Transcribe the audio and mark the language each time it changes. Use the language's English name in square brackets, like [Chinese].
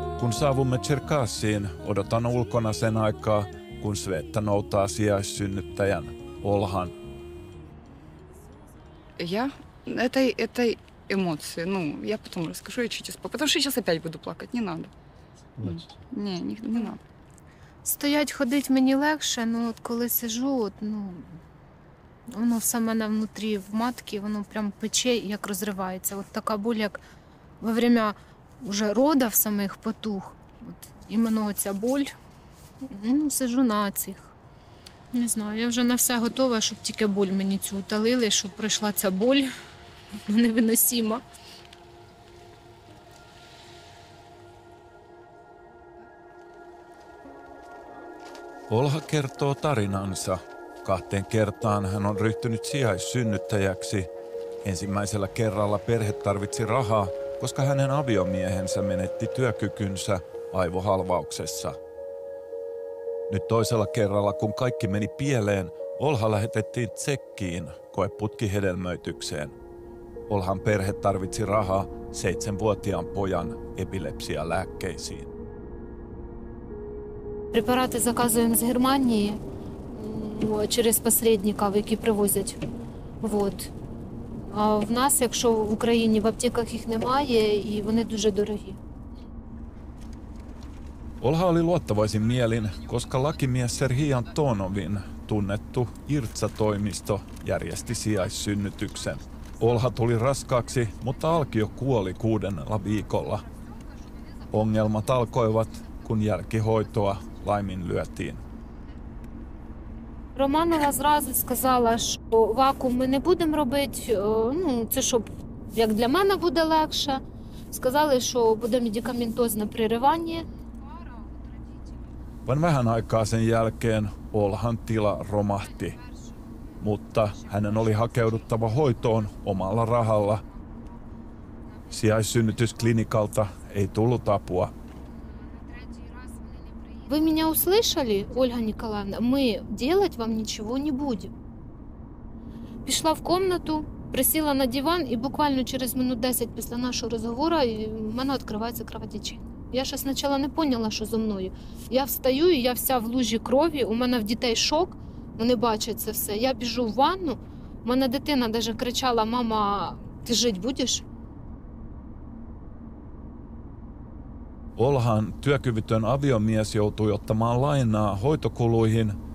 [Finnish] Saavumme Tserkassiin, odotan ulkona sen aikaa, kun Svetta noutaa sijaissynnyttäjän Olhan. [Russian] Я этой эмоции, ну, я потом расскажу ее чуть-чуть, потому что сейчас опять буду плакать, не надо. Не надо. [Ukrainian] Стоять, ходить мені легше, но от коли сижу, от, ну, воно все в мене внутрі, в матці, воно прям пече, як розривається. От така боль, як [Russian] во время уже рода [Ukrainian] в самих потух. От іменно ця боль. Ну, сижу на цих. Не знаю, я вже на все готова, щоб тільки боль мені цю утолили, щоб пройшла ця боль невиносима. [Finnish] Olha kertoo tarinansa. Kahteen kertaan hän on ryhtynyt sijaissynnyttäjäksi. Ensimmäisellä kerralla perhe tarvitsi rahaa, koska hänen aviomiehensä menetti työkykynsä aivohalvauksessa. Nyt toisella kerralla, kun kaikki meni pieleen, Olha lähetettiin Tsekkiin koeputkihedelmöitykseen. Olhan perhe tarvitsi rahaa 7-vuotiaan pojan epilepsialääkkeisiin. [Russian] Препараты заказываем из Германии через посредников, [Ukrainian] які привозять. [Russian] Вот. [Ukrainian] А в нас, якщо в Україні в аптеках їх немає, і вони дуже дорогі. [Finnish] Olha oli luottavaisin mielin, koska lakimies Serhii Antonovin tunnettu IRTSA-toimisto järjesti sijaissynnytyksen. Olha tuli raskaaksi, mutta alkio kuoli 6. viikolla. Ongelmat alkoivat, kun jälkihoitoa laiminlyötiin. [Ukrainian] Romanova zrazu skazala, što vakuum me ne budem robiti, no, to što jak для мене буде легше. Сказали, що буде медикаментозне преривання. [Finnish] Vain vähän aikaa sen jälkeen Olhan tila romahti, mutta hänen oli hakeuduttava hoitoon omalla rahalla. Sijaissynnytysklinikalta ei tullut apua. [Russian] Вы меня услышали, Ольга Николаевна? Мы делать вам ничего не будем. [Ukrainian] Пішла в комнату, присіла на диван і буквально через минут 10 після нашого розговору у мене відкривається кровотечення. Я ще спочатку не поняла, що зі мною. Я встаю, і я вся в лужі крові, у мене в дітей шок, вони бачать це все. Я біжу в ванну, у мене дитина навіть кричала: «Мама, ти жити будеш?» [Finnish] Olhan työkyvytön aviomies joutui ottamaan lainaa hoitokuluihin.